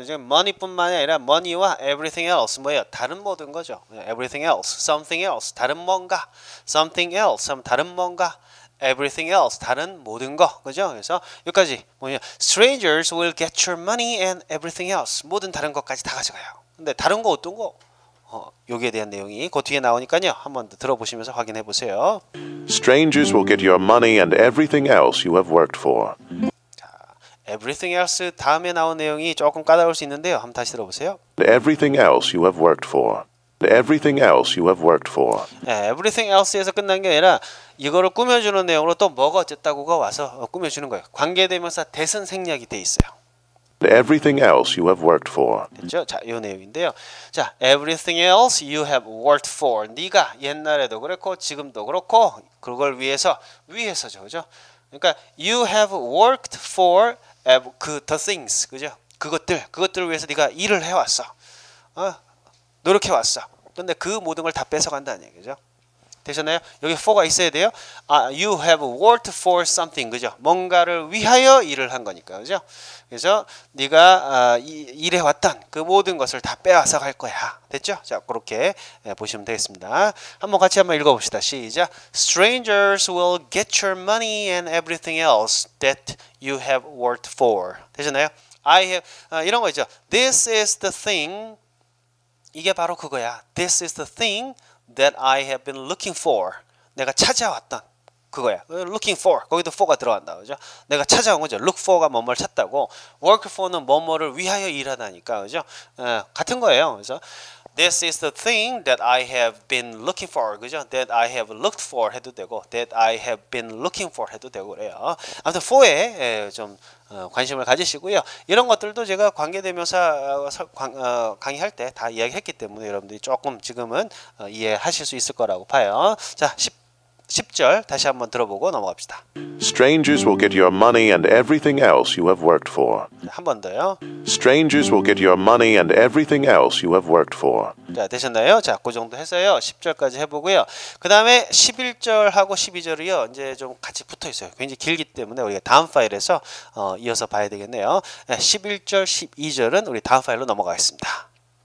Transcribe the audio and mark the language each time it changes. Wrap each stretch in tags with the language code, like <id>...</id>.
<ko>이제 money뿐만 아니라 money와 everything else. 뭐예요? 다른 모든 거죠.</ko> <en>Everything else. Something else.</en> <ko>다른 뭔가. Something else. 다른 뭔가. Everything else. 다른 모든 거. 그죠? 그래서 여기까지. 뭐냐?</ko> <en>Strangers will get your money and everything else.</en> <ko>모든 다른 것까지 다 가져가요. 근데 다른 거 어떤 거? 여기에 대한 내용이 그 뒤에 나오니까요. 한번 들어보시면서 확인해 보세요.</ko> <en>Strangers will get your money and everything else you have worked for.</en> <ko>자, everything else 다음에 나온 내용이 조금 까다로울 수 있는데요. 한번 다시 들어보세요.</ko> <en>Everything else you have worked for. Everything else you have worked for.</en> <ko>네, everything else에서 끝난 게 아니라 이거를 꾸며주는 내용으로 또 뭐가 어쨌다고가 와서 꾸며주는 거예요. 관계대명사 대선 생략이 돼 있어요.</ko> <en>Everything else you have worked for.</en> <ko>됐죠? 자, 이 내용인데요.</ko> <en>자, everything else you have worked for.</en> <ko>네가 옛날에도 그렇고 지금도 그렇고 그걸 위해서죠, 그죠? 그러니까</ko> <en>you have worked for the things,</en> <ko>그죠? 그것들을 위해서 네가 일을 해왔어. 노력해왔어. 그런데 그 모든 걸 다 뺏어간다는 얘기죠. 되셨나요? 여기 for가 있어야 돼요. 아,</ko> <en>you have worked for something,</en> <ko>그죠? 뭔가를 위하여 일을 한 거니까, 그죠? 그래서 네가 일해왔던 그 모든 것을 다 빼앗아 갈 거야. 됐죠? 자, 그렇게 보시면 되겠습니다. 한번 같이 한번 읽어봅시다. 시작!</ko> <en>Strangers will get your money and everything else that you have worked for.</en> <ko>되셨나요? I have, 이런 거 있죠.</ko> <en>This is the thing,</en> <ko>이게 바로 그거야.</ko> <en>This is the thing that I have been looking for.</en> <ko>내가 찾아왔던 그거야.</ko> <en>Looking for.</en> <ko>거기도 for가 들어간다. 그죠? 내가 찾아온 거죠. Look for가 뭐뭐를 찾다고. Work for는 뭐뭐를 위하여 일하다니까. 그죠? 같은 거예요. 그죠?</ko> <en>This is the thing that I have been looking for. 그죠? That I have looked for</en> <ko>해도 되고</ko> <en>That I have been looking for 해도 되고 그래요.</en> <ko>아무튼 for에 좀 관심을 가지시고요. 이런 것들도 제가 관계대명사 강의할 때 다 이야기했기 때문에 여러분들이 조금 지금은 이해하실 수 있을 거라고 봐요. 자, 10절 다시 한번 들어보고 넘어갑시다.</ko> <en>Strangers will get your money and everything else you have worked for.</en> <ko>한 번 더요.</ko> <en>Strangers will get your money and everything else you have worked for.</en> <ko>자, 되셨나요? 자, 그 정도 해서요. 10절까지 해보고요. 그 다음에 11절하고 12절이요. 이제 좀 같이 붙어 있어요. 굉장히 길기 때문에 우리가 다음 파일에서 이어서 봐야 되겠네요. 11절, 12절은 우리 다음 파일로 넘어가겠습니다.</ko>